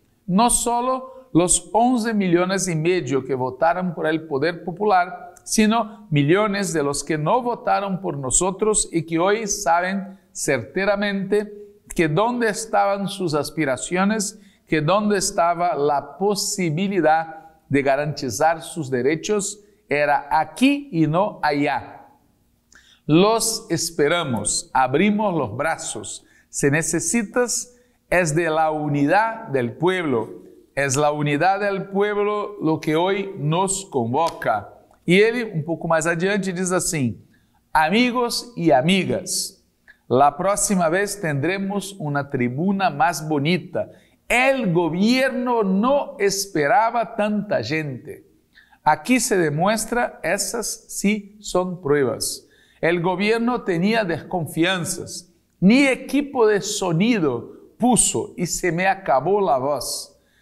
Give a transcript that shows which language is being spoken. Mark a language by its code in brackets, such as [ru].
[es] No solo los 11 millones y medio que votaron por el poder popular, sino millones de los que no votaron por nosotros y que hoy saben certeramente que dónde estaban sus aspiraciones, que dónde estaba la posibilidad de garantizar sus derechos, era aquí y no allá. Los esperamos, abrimos los brazos. Si necesitas, es de la unidad del pueblo. Es la unidad del pueblo lo que hoy nos convoca. [pt] E ele, um pouco mais adiante, diz assim: amigos e amigas, [es] la próxima vez tendremos [pt] uma tribuna mais bonita. [es] El gobierno no esperaba tanta gente. Aqui se demuestra, essas sí son pruebas. El gobierno tenía desconfianzas. Ni equipo de sonido puso y se me acabó la voz.